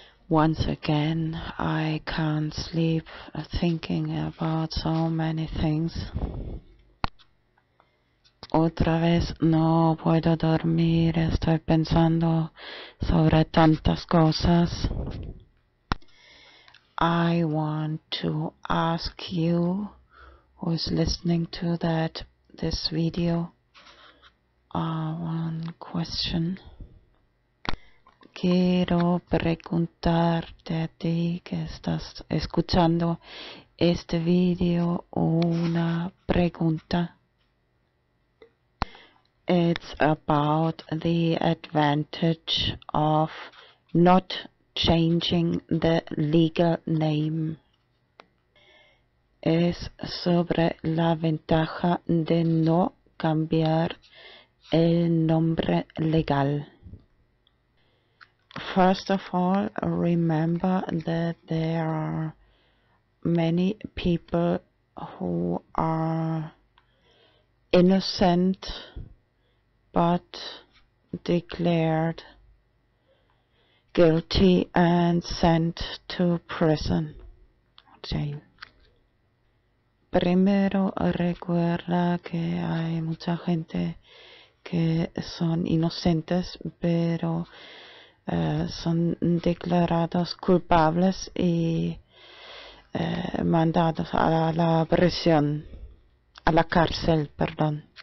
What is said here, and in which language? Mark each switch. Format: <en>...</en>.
<en>Once again, I can't sleep thinking about so many things.</en> <es>Otra vez no puedo dormir, estoy pensando sobre tantas cosas.</es> <en>I want to ask you who's listening to this video one question.</en> <es>Quiero preguntarte a ti que estás escuchando este video una pregunta.</es> <en>It's about the advantage of not changing the legal name.</en> <es>Es sobre la ventaja de no cambiar el nombre legal.</es> <en>First of all, remember that there are many people who are innocent but declared guilty and sent to prison. Jail.</en> <es>Primero recuerda que hay mucha gente que son inocentes, pero son declarados culpables y mandados a la prisión, a la cárcel, perdón.</es>